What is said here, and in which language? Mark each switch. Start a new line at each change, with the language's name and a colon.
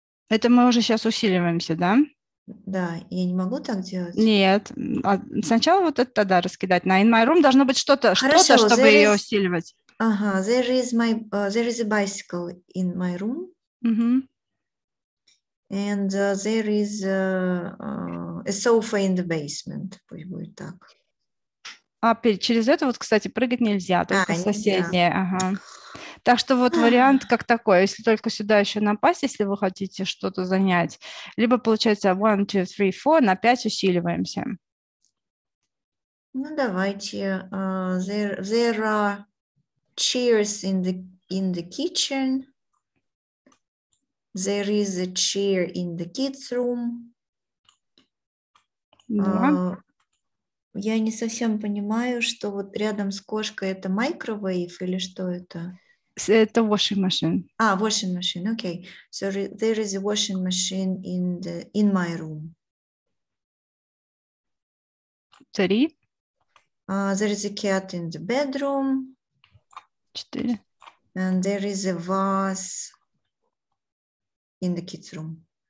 Russian: Это мы уже сейчас усиливаемся, да? Да, я не могу так делать. Нет, сначала вот это тогда раскидать. На
English: in my room
Russian: должно быть что-то, чтобы ее усиливать.
English: There is a bicycle in my room. And there is a sofa in the basement.
Russian: Пусть будет так. Через это вот, кстати, прыгать нельзя, только соседнее. Нельзя. Ага. Так что вот вариант как такой, если только сюда еще напасть, если вы хотите что-то занять, либо получается 1, 2, 3, 4, на 5 усиливаемся. Ну, давайте.
English: There are chairs in the kitchen. There is a chair in the kids room.
Russian: Я не совсем понимаю, что вот рядом с кошкой это microwave или что это?
English: Это washing machine. Washing machine, okay. So there is a washing machine in my room.
Russian: Три.
English: There is a cat in the bedroom.
Russian: Четыре.
English: And there is a vase in the kids room.